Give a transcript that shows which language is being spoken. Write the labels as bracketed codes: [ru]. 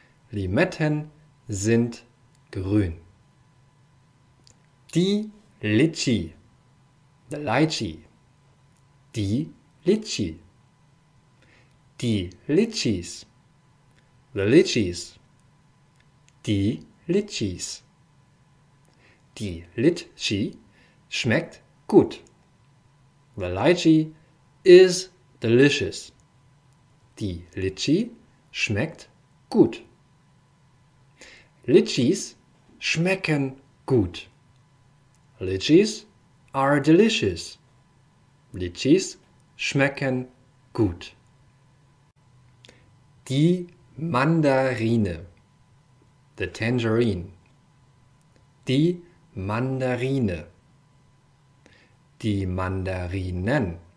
[de] Limetten sind grün. Die Litschi. [en] The Litschi. [de] Die Litschi. Die Litschis. [en] The Litschis. [de] Die Litschis. Die Litschi schmeckt gut. [en] The Litschi is delicious. [de] Die Litschi schmeckt gut. Litschis schmecken gut. [en] Litschis are delicious. [de] Litschis schmecken gut. Die Mandarine. [en] The tangerine. [de] Die Mandarine. Die Mandarinen.